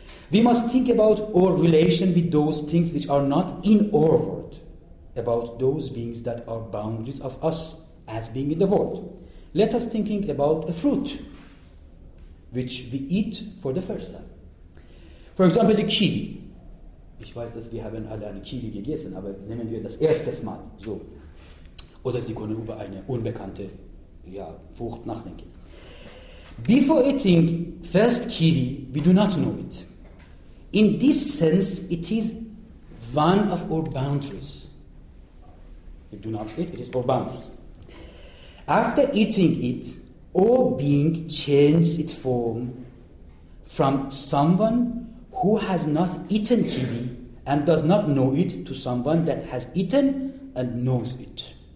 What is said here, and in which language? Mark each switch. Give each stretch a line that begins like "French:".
English: We must think about our relation with those things which are not in our world, about those beings that are boundaries of us as being in the world. Let us thinking about a fruit which we eat for the first time. For example, the kiwi.
German: Ich weiß, dass wir haben alle eine Kiwi gegessen, aber nehmen wir das erstes Mal so. Oder Sie können über eine unbekannte Frucht nachdenken.
English: Before eating first kiwi, we do not know it. In this sense, it is one of our boundaries. We do not eat, it is our boundaries. After eating it, our being changes its form from someone who has not eaten kiwi and does not know it to someone that has eaten and knows it.